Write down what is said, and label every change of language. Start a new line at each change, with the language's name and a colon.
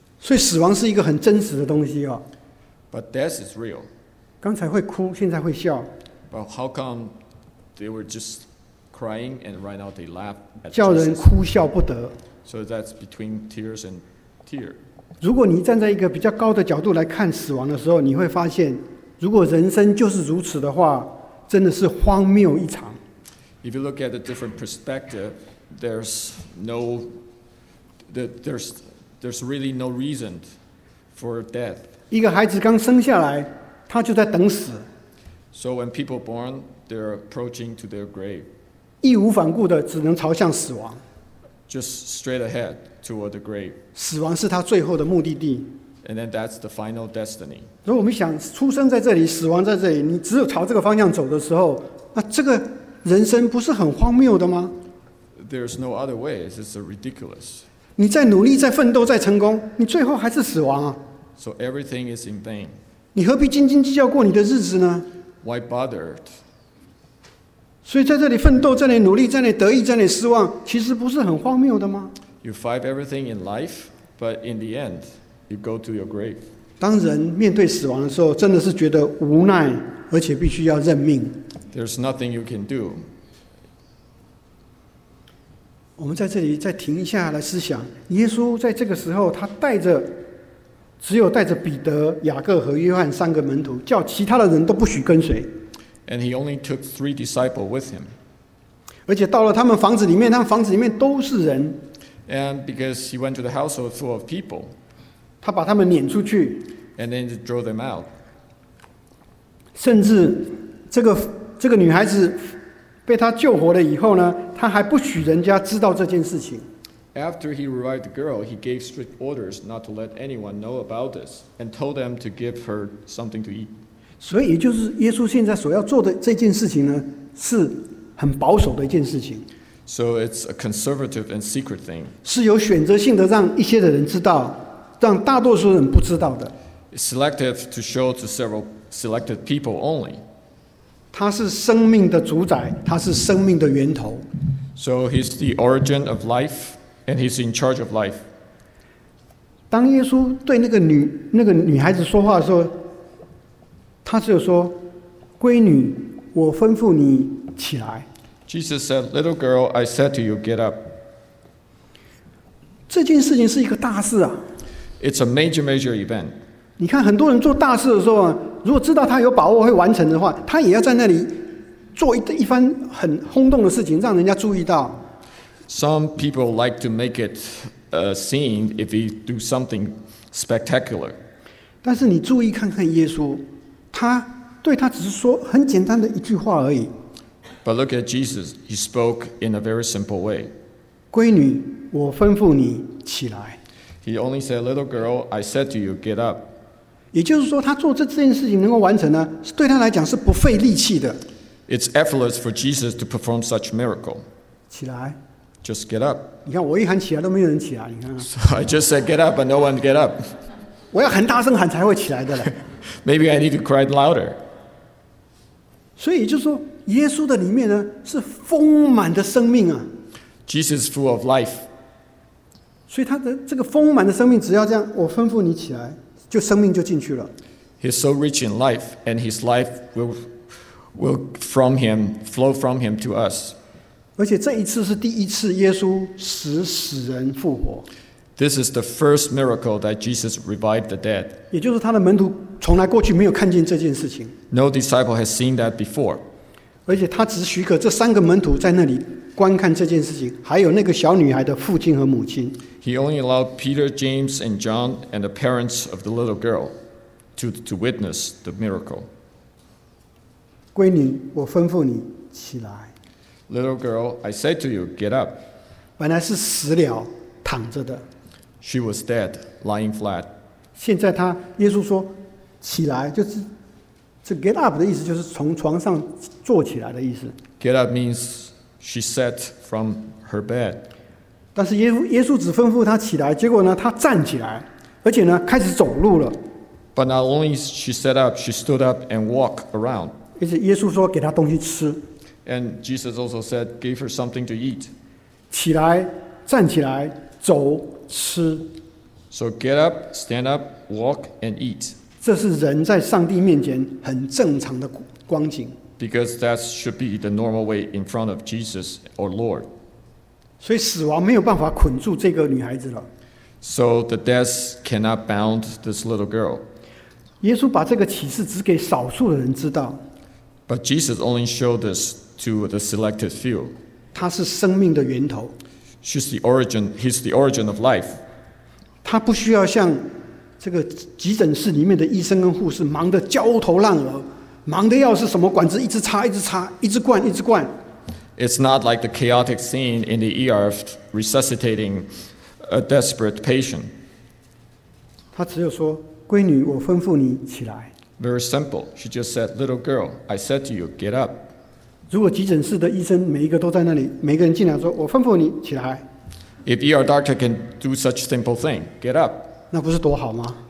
Chinese: 所以死亡是一个很真实的东西啊。
English: But death is real.
Chinese: 刚才会哭，现在会笑。
English: But how come they were just crying and right now they laugh at Jesus?
Chinese: 叫人哭笑不得。
English: So that's between tears and tear.
Chinese: 如果你站在一个比较高的角度来看死亡的时候，你会发现，如果人生就是如此的话，真的是荒谬一场。
English: If you look at a different perspective, there's really no reason for death.
Chinese: 一个孩子刚生下来，他就在等死。
English: So when people born, they're approaching to their grave.
Chinese: 义无反顾的，只能朝向死亡。
English: Just straight ahead toward the grave.
Chinese: 死亡是他最后的目的地。
English: And then that's the final destiny.
Chinese: 如果我们想出生在这里，死亡在这里，你只有朝这个方向走的时候，那这个人生不是很荒谬的吗？
English: There's no other way. It's ridiculous.
Chinese: 你在努力，在奋斗，在成功，你最后还是死亡啊。
English: So everything is in vain.
Chinese: 你何必斤斤计较过你的日子呢？
English: Why bother?
Chinese: 所以在这里奋斗，在那里努力，在那里得意，在那里失望，其实不是很荒谬的吗
English: ？You fight everything in life, but in the end, you go to your grave.
Chinese: 当人面对死亡的时候，真的是觉得无奈，而且必须要认命。
English: There's nothing you can do.
Chinese: 我们在这里再停一下来思想，耶稣在这个时候，他只有带着彼得、雅各和约翰三个门徒，叫其他的人都不许跟随。
English: And he only took three disciples with him.
Chinese: 而且到了他们房子里面，他们房子里面都是人。
English: And because he went to the household full of people.
Chinese: 他把他们撵出去。
English: And then he drove them out.
Chinese: 甚至这个女孩子被他救活了以后呢，他还不许人家知道这件事情。
English: After he revived the girl, he gave strict orders not to let anyone know about this and told them to give her something to eat.
Chinese: 所以也就是耶稣现在所要做的这件事情呢，是很保守的一件事情。
English: So it's a conservative and secret thing.
Chinese: 是有选择性的让一些的人知道，让大多数人不知道的。
English: Selective to show to several selected people only.
Chinese: 他是生命的主宰，他是生命的源头。
English: So he's the origin of life, and he's in charge of life.
Chinese: 当耶稣对那个女孩子说话的时候，他只有说：“闺女，我吩咐你起来。”
English: Jesus said, "Little girl, I said to you, get up."
Chinese: 这件事情是一个大事啊。
English: It's a major, major event.
Chinese: 你看很多人做大事的时候，如果知道他有把握会完成的话，他也要在那里做 一番很轰动的事情，让人家注意到。
English: Some people like to make it a scene if they do something spectacular.
Chinese: 但是你注意看看耶稣，他对他只是说很简单的一句话而已。
English: But look at Jesus. He spoke in a very simple way.
Chinese: 闺女，我吩咐你起来。
English: He only said, "Little girl, I said to you, get up."
Chinese: 也就是说，他做这件事情能够完成呢，对他来讲是不费力气的。
English: It's effortless for Jesus to perform such miracle.
Chinese: 起来。
English: Just get up.
Chinese: 你看，我一喊起来都没有人起来，你看。
English: So I just said, "Get up," but no one get up.
Chinese: 我要很大声喊才会起来的嘞。
English: Maybe I need to cry louder.
Chinese: 所以也就是说，耶稣的里面呢是丰满的生命啊。
English: Jesus is full of life.
Chinese: 所以他的这个丰满的生命，只要这样，我吩咐你起来，就生命就进去了。
English: He's so rich in life, and his life will from him flow from him to us.
Chinese: 而且这一次是第一次耶稣使死人复活。
English: This is the first miracle that Jesus revived the dead.
Chinese: 也就是他的门徒从来过去没有看见这件事情。
English: No disciple has seen that before.
Chinese: 而且他只许可这三个门徒在那里观看这件事情，还有那个小女孩的父亲和母亲。
English: He only allowed Peter, James, and John and the parents of the little girl to witness the miracle.
Chinese: 闺女，我吩咐你起来。
English: Little girl, I say to you, get up.
Chinese: 本来是死了，躺着的。
English: She was dead, lying flat.
Chinese: 现在她，耶稣说，起来，就是这
English: get up
Chinese: 的意思，就是从床上坐起来的意思。
English: Get up means she sat from her bed.
Chinese: 但是耶稣只吩咐她起来，结果呢，她站起来，而且呢，开始走路了。
English: But not only she sat up, she stood up and walked around.
Chinese: 而且耶稣说给她东西吃。
English: And Jesus also said, gave her something to eat.
Chinese: 起来，站起来，走。吃
English: So get up, stand up, walk and eat.
Chinese: 这是人在上帝面前很正常的光景。
English: Because that should be the normal way in front of Jesus or Lord.
Chinese: 所以死亡没有办法捆住这个女孩子了。
English: So the death cannot bound this little girl.
Chinese: 耶稣把这个启示只给少数的人知道。
English: But Jesus only showed this to the selected few.
Chinese: 他是生命的源头。
English: She's the origin. He's the origin of life.
Chinese: 他不需要像这个急诊室里面的医生跟护士忙得焦头烂额，忙得要是什么管子一直插一直插，一直灌一直灌。
English: It's not like the chaotic scene in the ER resuscitating a desperate patient.
Chinese: 他只有说：“闺女，我吩咐你起来。”
English: Very simple. She just said, "Little girl, I said to you, get up."
Chinese: 如果急诊室的医生每一个都在那里，每个人进来说：“我吩咐你起来。”
English: If ER doctor can do such simple thing, get up.
Chinese: 那不是多好吗？